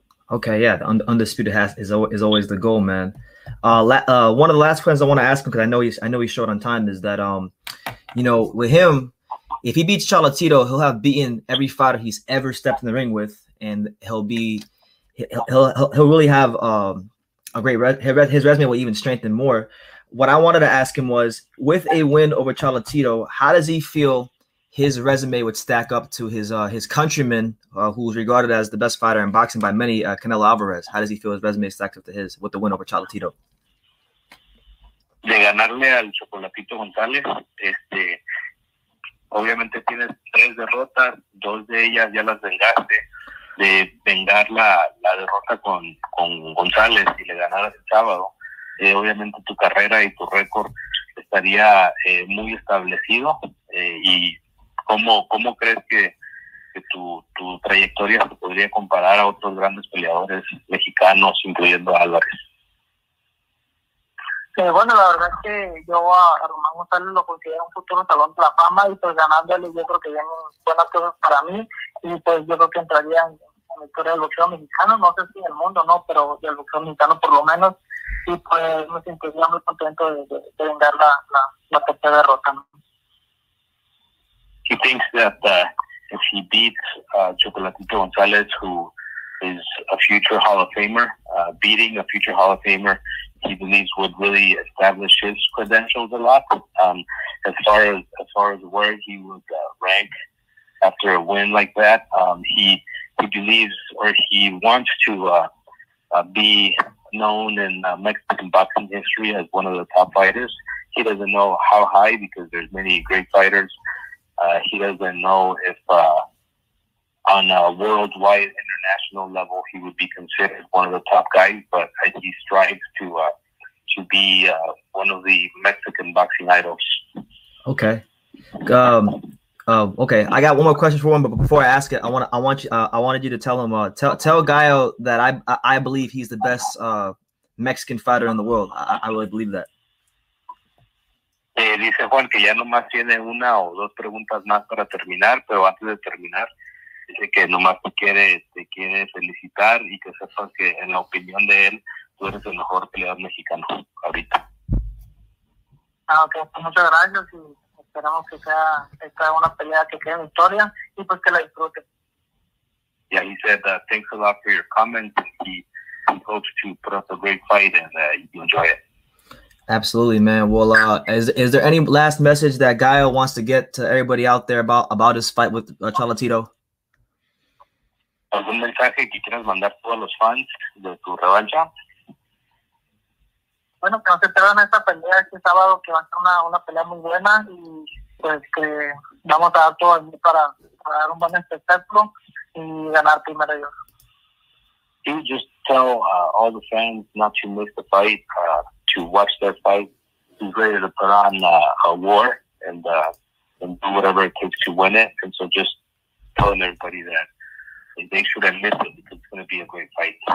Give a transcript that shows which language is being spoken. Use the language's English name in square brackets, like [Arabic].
[English] Okay, yeah, the undisputed is always the goal, man. One of the last questions I want to ask him, because I know he's short on time, is that you know, with him, if he beats Chocolatito, he'll have beaten every fighter he's ever stepped in the ring with, and he'll really have a great his resume will even strengthen more. What I wanted to ask him was, with a win over Chocolatito, how does he feel his resume would stack up to his countryman, who's regarded as the best fighter in boxing by many, Canelo Alvarez? How does he feel his resume stacks up to his with the win over Chocolatito? [Spanish] De ganarle al Chocolatito González, obviamente tienes tres derrotas, dos de ellas ya las vengaste. De vengar la derrota con González y le ganaras el sábado, obviamente tu carrera y tu récord estaría muy establecido. ¿Y cómo crees que tu trayectoria se podría comparar a otros grandes peleadores mexicanos, incluyendo a Álvarez? Bueno, la verdad es que yo a Román González lo considero un futuro salón de la fama, y pues ganándole yo creo que vienen buenas cosas para mí, y pues yo creo que entraría en la historia del boxeo mexicano, no sé si del mundo, ¿no?, pero del boxeo mexicano por lo menos, y pues me sentiría muy contento de vengar la tercera derrota, ¿no? [English] He thinks that if he beats Chocolatito González, who is a future Hall of Famer, beating a future Hall of Famer, he believes would really establish his credentials a lot. As far as where he would rank after a win like that, he believes, or he wants to be known in Mexican boxing history as one of the top fighters. He doesn't know how high, because there's many great fighters. He doesn't know if on a worldwide international level he would be considered one of the top guys, but he strives to be one of the Mexican boxing idols. Okay. Okay. I got one more question for him, but before I ask it, I wanted you to tell him, tell Gallo that I believe he's the best Mexican fighter in the world. I really believe that. [Spanish] Dice Juan que ya nomás tiene una o dos preguntas más para terminar, pero antes de terminar, dice que nomás te quiere felicitar y que sepas que en la opinión de él, tú eres el mejor peleador mexicano ahorita. Ah, ok, pues muchas gracias, y esperamos que sea esta una pelea que quede en historia, y pues que la disfrute. [English] Yeah, he said thanks a lot for your comments, and he hopes to put up a great fight, and you enjoy it. Absolutely, man. Well, is there any last message that Gallo wants to get to everybody out there about his fight with Chocolatito? [Spanish] ¿Algún mensaje que quieras mandar a todos los fans de tu revancha? Bueno, que no se pierdan esta pelea este sábado, que va a ser una pelea muy buena, y pues que vamos a dar todo aquí para dar un buen espectáculo y ganar primero yo. [English] You just tell all the fans not to miss the fight, to watch that fight. He's ready to put on a war and do whatever it takes to win it. And so just telling everybody that they shouldn't miss it because it's going to be a great fight.